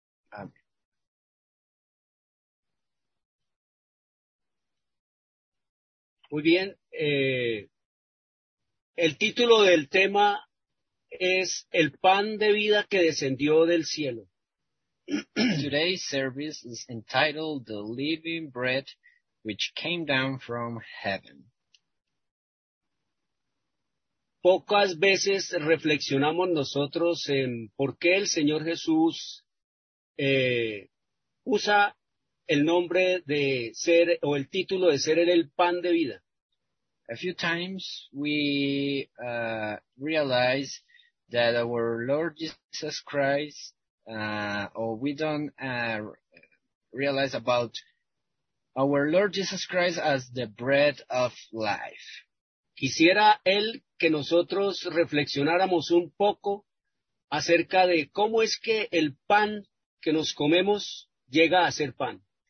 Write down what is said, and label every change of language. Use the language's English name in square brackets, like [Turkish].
[Spanish] Amén. Muy bien. El título del tema es El pan de vida que descendió del cielo. [English] Today's service is entitled The Living Bread Which Came Down from Heaven. [Spanish] Pocas veces reflexionamos nosotros en por qué el Señor Jesús usa el nombre de ser o el título de ser el pan de vida. [English] A few times we realize that our Lord Jesus Christ, realize about our Lord Jesus Christ as the bread of life. [Spanish] Quisiera él que nosotros reflexionáramos un poco acerca de cómo es que el pan que nos comemos llega a ser pan.